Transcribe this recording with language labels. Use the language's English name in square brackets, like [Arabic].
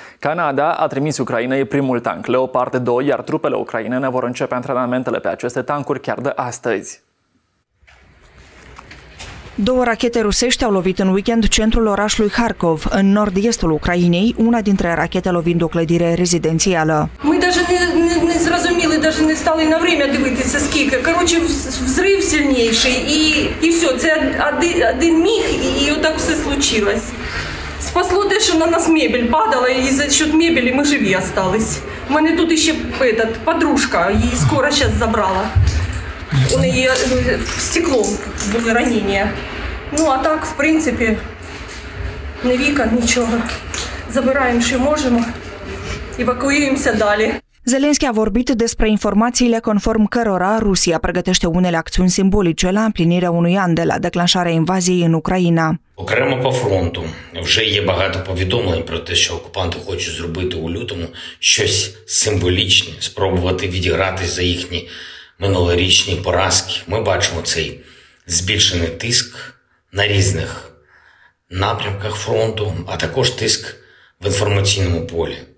[Romanian] Canada a trimis Ucrainei primul tank Leopard 2, iar trupele ucrainene vor începe antrenamentele pe aceste tancuri chiar de astăzi. Două rachete rusești au lovit în weekend centrul orașului Kharkov, în nord-estul Ucrainei, una dintre rachete lovind o clădire rezidențială. [Ukrainian] Ми даже не зрозуміли, даже не стали на время дивитися, скільки. Короче, взрив сильніший і все, це один міг і отак все случилось. Спасло те, що на нас мебель падала і за счёт мебелі ми живі остались. У мене тут ще этот подружка, її скоро сейчас забрала. У неї стекло були ранення. Ну, а так, в принципі, не віка, нічого. Забираємо, що можемо, евакуюємося далі. [Romanian] Zelenski a vorbit despre informațiile conform cărora Rusia pregătește unele acțiuni simbolice la împlinirea unui an de la declanșarea invaziei în Ucraina. [Ukrainian] Окремо по фронту вже є багато повідомлень про те, що окупанти хочуть зробити у лютому щось символічне, спробувати відігратися за їхні минулорічні поразки. Ми бачимо цей збільшений тиск на різних напрямках фронту, а також тиск в інформаційному полі.